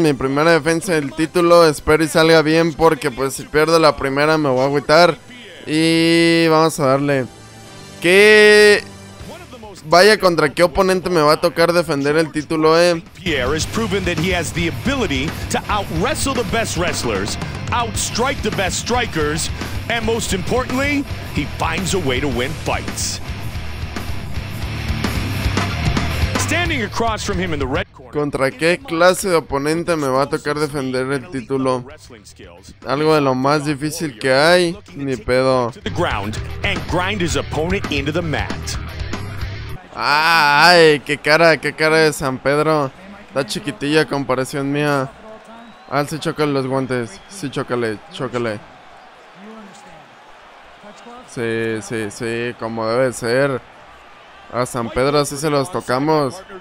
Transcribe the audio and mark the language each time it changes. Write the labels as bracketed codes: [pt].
[es] Mi primera defensa del título. Espero y salga bien, porque pues si pierdo la primera me voy a agüitar. Y vamos a darle. ¿Qué? Vaya, ¿contra qué oponente me va a tocar defender el título, [en] Pierre has proven that he has the ability to out-wrestle the best wrestlers, out-strike the best strikers, and most importantly, he finds a way to win fights. Standing across from him in the red corner. [es] ¿Contra qué clase de oponente me va a tocar defender el título? Algo de lo más difícil que hay, ni pedo. [en] And grind his opponent into the mat. [es] ¡Ay! ¡Qué cara de San Pedro! Está chiquitilla a comparación mía. Ah, sí, chócale los guantes. Sí, chócale. Sí, como debe ser. A San Pedro así se los tocamos.